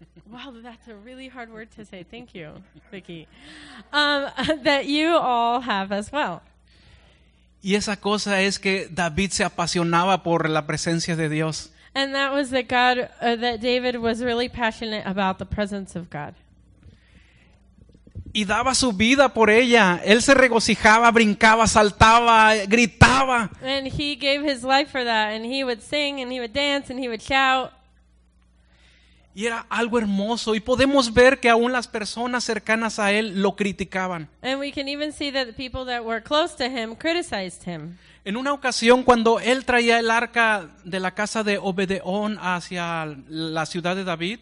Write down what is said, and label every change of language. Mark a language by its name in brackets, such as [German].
[English] Wow, that's a really hard word to say. Thank you, Vicky. That you all have as well. [Spanish] Y esa cosa es que David se apasionaba por la presencia de Dios. [English] And that was that David was really passionate about the presence of God. [Spanish] Y daba su vida por ella. Él se regocijaba, brincaba, saltaba, gritaba. [English] And he gave his life for that. And he would sing, and he would dance, and he would shout. [Spanish] Y era algo hermoso. Y podemos ver que aún las personas cercanas a él lo criticaban. [English] And we can even see that the people that were close to him criticized him. [Spanish] En una ocasión, cuando él traía el arca de la casa de Obed-Edom hacia la ciudad de David,